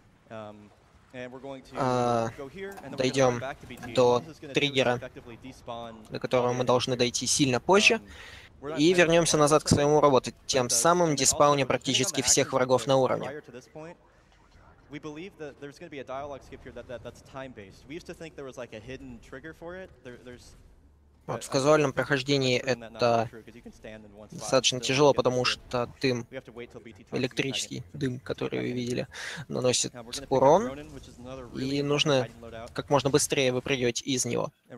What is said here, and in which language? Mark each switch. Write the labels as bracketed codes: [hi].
[ru] Дойдем до триггера, до которого мы должны дойти сильно позже, и вернемся назад к своему роботу, тем самым деспауня практически всех врагов на уровне. [en] We believe that there's going to be a dialogue skip here that's time-based. We used to think there was like a hidden trigger for it. There's. [ru] Вот в казуальном прохождении это достаточно тяжело, потому что дым, электрический дым, который вы видели, наносит урон, и нужно как можно быстрее выпрыгивать из него.